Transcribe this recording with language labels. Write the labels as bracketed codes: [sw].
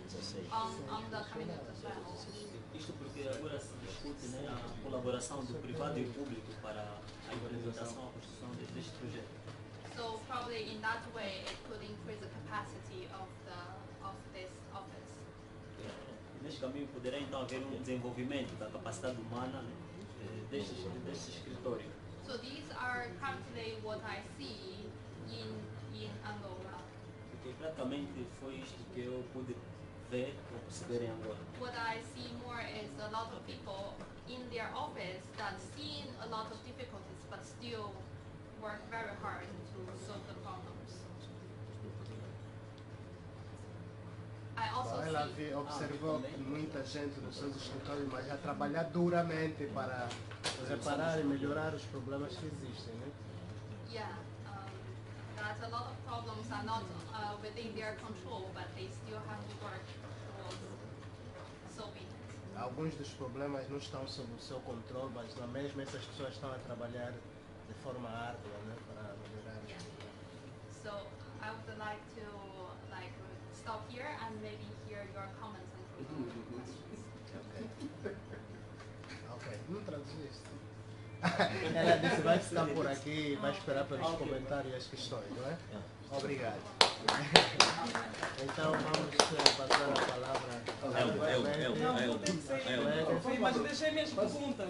[en] there is maybe discussion about the privatization of CFP, or like a public-private cooperation on the Camino do Sul. [pt] Isto porque agora se discute, né, a colaboração do privado e o público para a implementação, a construção deste projeto. [en] So probably in that way it could increase the capacity of this office. [pt] Neste caminho poderá então haver um desenvolvimento da capacidade humana, né, deste escritório. [en] So these are practically what I see in Angola. [pt] Porque praticamente foi isto que eu pude ver ou perceber em Angola. [en] What I see more is a lot of people in their office that seen a lot of difficulties but still work very hard to solve the problems. [pt] Ela observou que muita gente nos seus escritórios, mas já trabalhar duramente para reparar e melhorar os problemas que existem, né? [en] Yeah, that a lot of problems are not within their control, but they still have to work towards solving it. [pt] Alguns dos problemas não estão sob o seu controle, mas na mesma essas pessoas estão a trabalhar de forma árdua, né, para melhorar. [en] Yeah. So I would like to stop here and maybe hear your comments and questions. [pt] Okay. Okay. Não traduzi isso. Ela disse, vai ficar por aqui e vai esperar pelos comentários e as questões, não é? [en] Yeah. [pt] Obrigado. Então vamos passar a palavra ao mas deixei minhas perguntas.